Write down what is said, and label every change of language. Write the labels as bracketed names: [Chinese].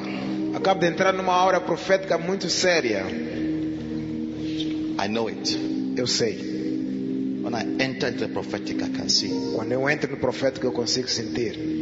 [Portuguese] Acabo de entrar numa aura profética muito séria. [English] I know it. [Portuguese] Eu sei. [English] When I enter into a prophetic, I can see. [Portuguese] Quando eu entro no profético, eu consigo sentir.